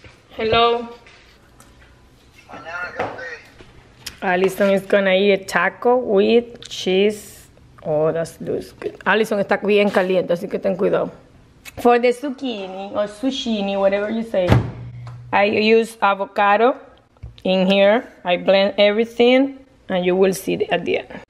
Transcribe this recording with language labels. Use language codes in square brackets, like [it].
[en] Hello. Allison is gonna eat a taco with cheese. Oh, that looks good. [es] Allison está bien caliente, así que ten cuidado. [en] For the zucchini or sushini, whatever you say, I use avocado in here. I blend everything and you will see it at the end.